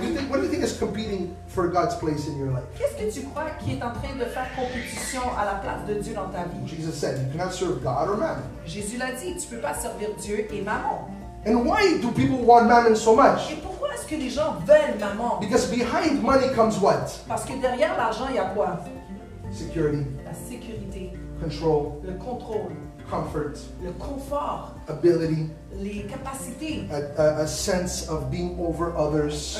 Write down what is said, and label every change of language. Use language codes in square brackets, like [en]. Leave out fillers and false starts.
[en] What do you think is competing for God's place in your life? [fr] Qu'est-ce que tu crois qui est en train de faire compétition à la place de Dieu dans ta vie? [en] Jesus said, you cannot serve God or mammon. [fr] Jésus l'a dit, tu peux pas servir Dieu et mammon. [en] And why do people want mammon so much? [fr] Et pourquoi est-ce que les gens veulent mammon? [en] Because behind money comes what? [fr] Parce que derrière l'argent, il y a quoi? [en] Security. [fr] La sécurité. [en] Control. [fr] Le contrôle. [en] Comfort. [fr] Le confort. [en] Ability. [fr] Les capacités. [en] A sense of being over others.